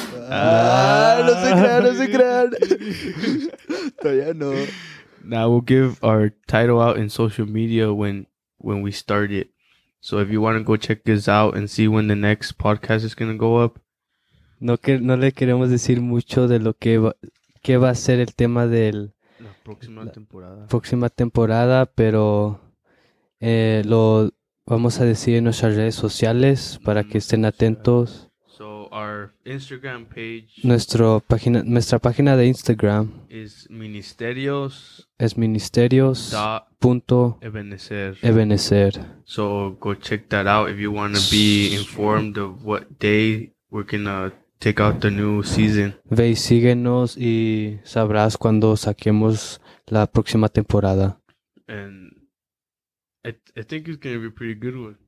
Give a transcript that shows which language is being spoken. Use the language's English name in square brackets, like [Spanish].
[Spanish] No se crean. Todavía no. [English] Now we'll give our title out in social media when we start it. So if you want to go check us out and see when the next podcast is going to go up. [Spanish] No le queremos decir mucho de lo que va a ser el tema de la próxima temporada. Próxima temporada, pero lo vamos a decir en nuestras redes sociales para que estén atentos. [English] So our Instagram page. [Spanish] Nuestra página de Instagram. [English] Is ministerios. [Spanish] Es ministerios. Punto. Ebenezer. [English] So go check that out if you want to be informed of what day we're going to take out the new season. [Spanish] Ve y síguenos y sabrás cuando saquemos la próxima temporada. [English] And I think it's going to be a pretty good one.